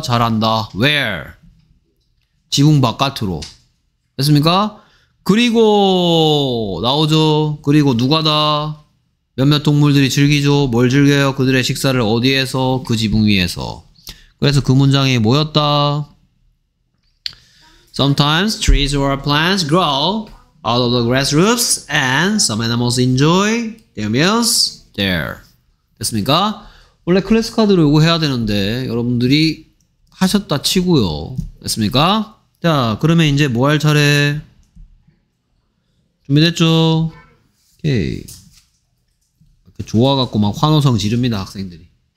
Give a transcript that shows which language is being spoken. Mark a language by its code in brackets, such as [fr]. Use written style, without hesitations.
[ko] 잘한다. Where? 지붕 바깥으로. 됐습니까? 그리고 나오죠. 그리고 누가 다 몇몇 동물들이 즐기죠. 뭘 즐겨요? 그들의 식사를 어디에서? 그 지붕 위에서. 그래서 그 문장이 뭐였다? [en] Sometimes trees or plants grow out of the grass roofs and some animals enjoy their meals there. [ko] 됐습니까? 원래 클래스 카드로 이거 해야 되는데 여러분들이 하셨다 치고요. 됐습니까? 자, 그러면 이제 뭐 할 차례? 준비됐죠? 오케이. 이렇게 좋아갖고 막 환호성 지릅니다, 학생들이.